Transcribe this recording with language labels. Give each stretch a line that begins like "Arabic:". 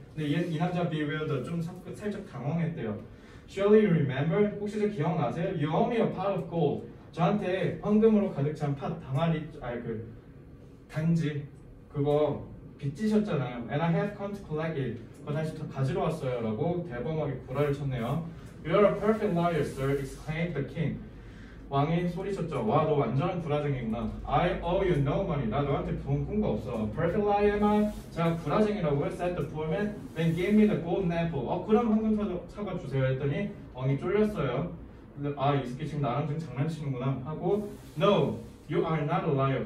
Korean: 근데 이 남자 bewildered 좀 살짝 당황했대요.
English: Surely you remember?
Korean: 혹시 저 기억나세요?
English: You owe me a pot of gold.
Korean: 저한테 황금으로 가득 찬 팥, 당아리, 아니 그 단지 그거 빚지셨잖아요.
English: And I have come to collect it.
Korean: 그거 다시 가지러 왔어요. 라고 대범하게 구라를 쳤네요.
English: You're a perfect liar, sir, exclaimed the king.
Korean: 왕이 소리쳤죠. 와, 너 완전한 구라쟁이구나.
English: I owe you no money.
Korean: 나 너한테 돈 꾼 거 없어.
English: Perfect liar am I?
Korean: 제가 구라쟁이라고
English: said the poor man. Then give me the golden apple.
Korean: 어, 그럼 황금 사과 주세요. 했더니 왕이 쫄렸어요. 아, 이 새끼 지금 나랑 지금 장난치는구나 하고
English: No, you are not a liar.